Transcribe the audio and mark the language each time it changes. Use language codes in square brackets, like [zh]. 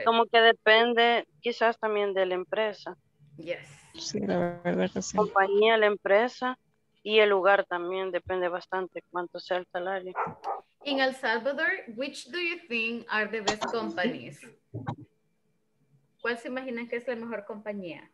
[es] Y como que depende, quizás también de la empresa. [en] Yes. [es] Sí, la verdad es que sí. Compañía, la empresa. Y el lugar también depende bastante cuánto sea el salario. [en] In El Salvador, which do you think are the best companies? [es] ¿Cuál se imagina que es la mejor compañía?